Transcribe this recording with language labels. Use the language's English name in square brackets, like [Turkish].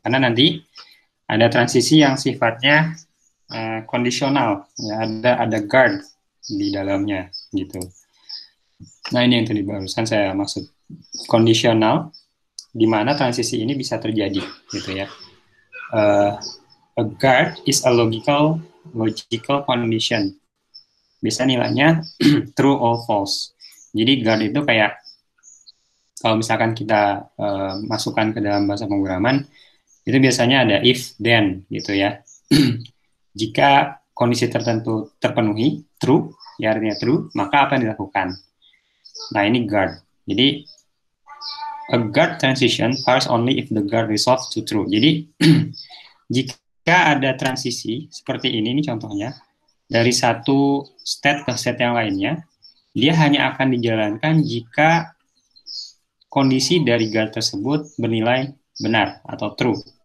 [Indonesian] Karena nanti ada transisi yang sifatnya kondisional, ya, ada guard di dalamnya gitu. Nah, ini yang tadi barusan saya maksud kondisional, di mana transisi ini bisa terjadi gitu ya. [English] A guard is a logical condition. [Indonesian] Bisa nilainya true or false. Jadi guard itu kayak kalau misalkan kita masukkan ke dalam bahasa pemrograman itu biasanya ada if then gitu ya. Jika kondisi tertentu terpenuhi true, ya artinya true, maka apa yang dilakukan? Nah, ini guard. Jadi [English] a guard transition fires only if the guard resolves to true. [Indonesian] Jadi jika ada transisi seperti ini contohnya dari satu state ke state yang lainnya, dia hanya akan dijalankan jika kondisi dari guard tersebut bernilai benar atau true.